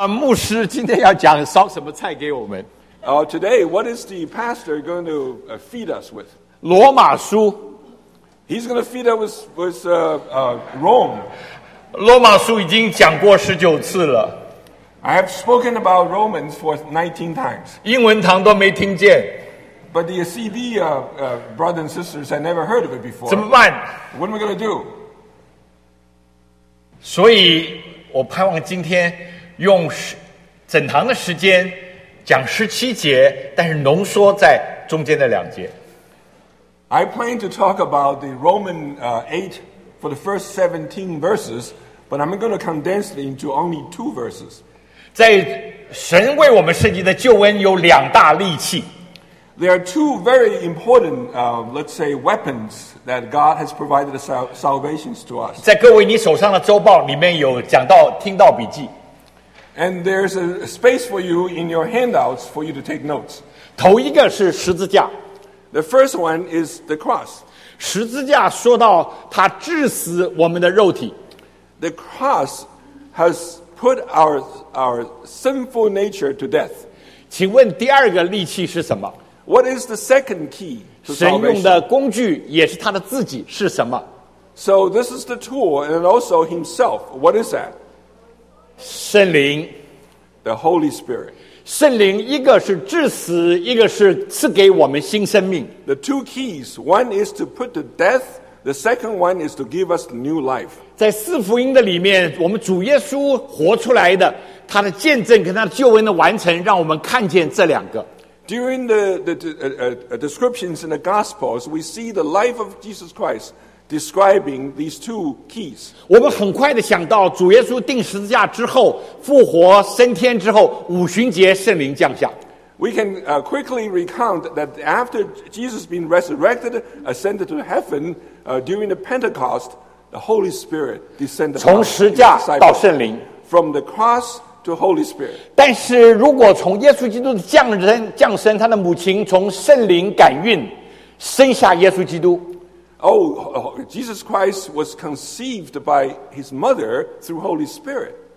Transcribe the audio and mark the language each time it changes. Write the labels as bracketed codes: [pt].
[zh] 牧师今天要讲烧什么菜给我们？ [en] Today, what is the pastor going to feed us with? [zh] 罗马书。 [en] He's going to feed us with Rome. [zh] 罗马书已经讲过19次了。 [en] I have spoken about Romans for 19 times. [zh] 英文堂都没听见。 [en] But the CD brothers and sisters had never heard of it before. [zh] 怎么办？ [en] What are we going to do? [zh] 所以我盼望今天用整堂的时间讲17节，但是浓缩在中间的2节。 [en] I plan to talk about the Roman 8 for the first 17 verses, but I'm going to condense it into only 2 verses. [zh] 在神为我们设计的救恩有两大利器。 [en] There are two very important, weapons that God has provided salvation to us. [zh] 在各位你手上的周报里面有讲到听到笔记。 [en] And there's a space for you in your handouts for you to take notes. [zh] 头一个是十字架。 [en] The first one is the cross. [zh] 十字架说到它致死我们的肉体。 [en] The cross has put our sinful nature to death. [zh] 请问第二个利器是什么？ [en] What is the second key to salvation? [zh] 神用的工具也是他的自己是什么？ [en] So this is the tool and also himself. What is that? [zh] 圣灵。 [en] The Holy Spirit. [zh] 圣灵一个是致死，一个是赐给我们新生命。 [en] The two keys, one is to put to death, the second one is to give us new life. [zh] 在四福音的里面，我们主耶稣活出来的，他的见证跟他的救恩的完成，让我们看见这两个。 [en] During the descriptions in the Gospels, we see the life of Jesus Christ describing these two keys. [zh] 我们很快地想到主耶稣钉十字架之后复活升天之后五旬节圣灵降下。 [en] We can quickly recount that after Jesus being resurrected, ascended to heaven, during the Pentecost, the Holy Spirit descended. [zh] 从十字架到圣灵。 [en] From the cross to Holy Spirit. [zh] 但是如果从耶稣基督的降生，他的母亲从圣灵感孕生下耶稣基督。 [en] Jesus Christ was conceived by his mother through Holy Spirit.